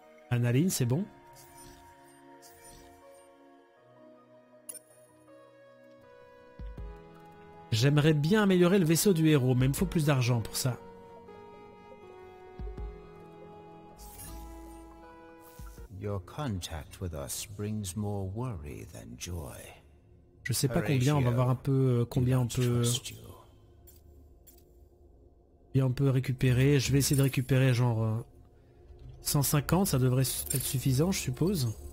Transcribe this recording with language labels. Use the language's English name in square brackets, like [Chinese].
[French] l'adrénaline, c'est bon. J'aimerais bien améliorer le vaisseau du héros, mais il me faut plus d'argent pour ça. [English] Your contact with us brings more worry than joy. [French] Je sais pas combien, on va voir un peu combien on peut. Et on peut récupérer, je vais essayer de récupérer genre 150, ça devrait être suffisant je suppose.